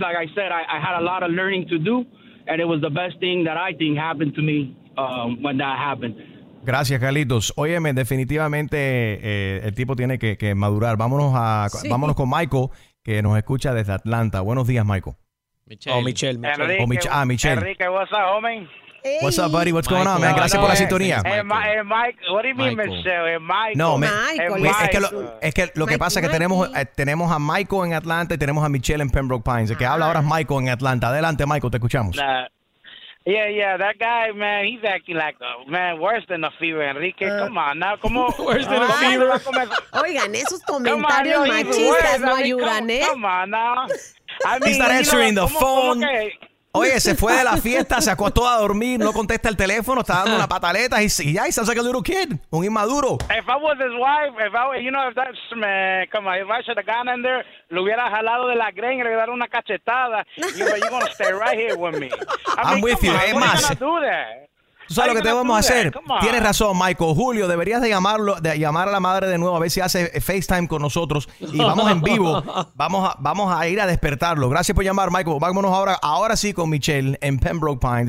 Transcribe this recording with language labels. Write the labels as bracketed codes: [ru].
[en] Like I said, I had a lot of learning to do, and it was the best thing that I think happened to me when that happened. [es] Gracias, Carlitos. Óyeme, definitivamente el tipo tiene que madurar. Vámonos con Michael, que nos escucha desde Atlanta. Buenos días, Michael. [en] Michelle. Enrique, what's up, homie? Hey. What's up, buddy? What's going on, man? [es] Gracias por la sintonía. Es que lo que pasa es que tenemos a Michael en Atlanta y tenemos a Michelle en Pembroke Pines. El que habla ahora es Michael en Atlanta. Adelante, Michael, te escuchamos. [en] Yeah, yeah, that guy, man, he's acting like, man, worse than a fever, Enrique. Come on, now, come on. Worse than a fever. [es] Oigan, esos comentarios machistas no ayudan, ¿eh? [en] Come on, now. I mean, he's not answering the phone. [es] Oye, se fue de la fiesta, se acostó a dormir, no contesta el teléfono, está dando una pataleta. Y ya, [en] he sounds like a little kid, [es] un inmaduro. [en] If I was his wife, if I, you know, if that's, man, come on, if I should have gone in there, [es] lo hubiera jalado de la greña y le hubiera dado una cachetada. [en] You're going to stay right here with me. I'm with you, [es] es más. ¿Tú sabes lo que te vamos a hacer? Tienes razón, Michael. Julio, deberías de llamarlo, de llamar a la madre de nuevo a ver si hace FaceTime con nosotros y vamos en vivo. Vamos a ir a despertarlo. Gracias por llamar, Michael. Vámonos ahora sí con Michelle en Pembroke Pines.